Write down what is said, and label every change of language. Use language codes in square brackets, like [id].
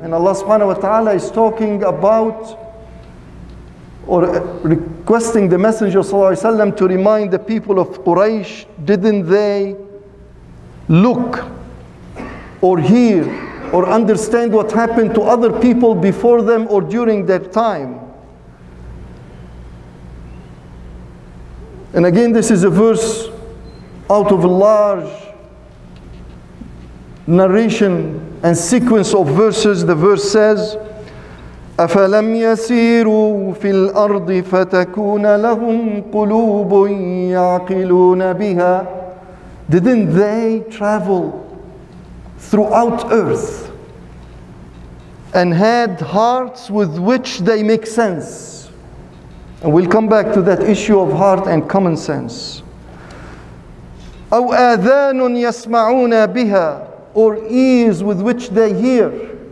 [en] And Allah subhanahu wa ta'ala is talking about or requesting the Messenger sallallahu alayhi wa sallam to remind the people of Quraysh, didn't they look or hear or understand what happened to other people before them or during their time? And again, this is a verse out of a large narration and sequence of verses. The verse says, [ar] أَفَلَمْ يَسِيرُوا فِي الْأَرْضِ فَتَكُونَ لَهُمْ قُلُوبٌ يَعْقِلُونَ بِهَا. [en] Didn't they travel throughout earth and had hearts with which they make sense? And we'll come back to that issue of heart and common sense. [ar] أَوْ آذَانٌ يَسْمَعُونَ بِهَا, [en] or ears with which they hear.